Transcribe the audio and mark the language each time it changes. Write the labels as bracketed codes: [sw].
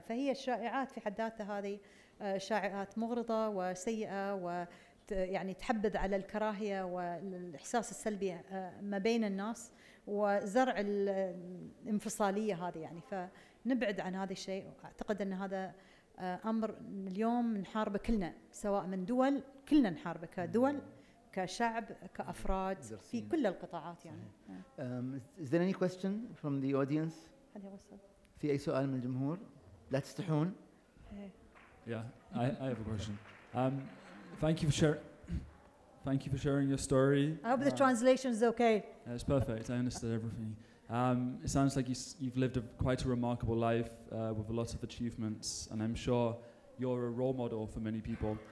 [ar] فهي الشائعات في حد ذاتها هذه شائعات مغرضة وسيئة، و يعني تحبذ على الكراهية والإحساس السلبي ما بين الناس وزرع الانفصالية هذه. يعني فنبعد عن هذا الشيء. أعتقد أن هذا أمر اليوم نحاربه كلنا، سواء من دول، كلنا نحاربه كدول، كشعب، كأفراد، في كل القطاعات. يعني [en] Is there any question from the audience؟ [ar] هل يوصل؟ في أي سؤال من الجمهور؟ لا تستحون. [en] Yeah, I have a question. Thank you for sharing your story. I hope the translation is okay. It's perfect. I understood everything. It sounds like you've lived quite a remarkable life with a lot of achievements, and I'm sure you're a role model for many people.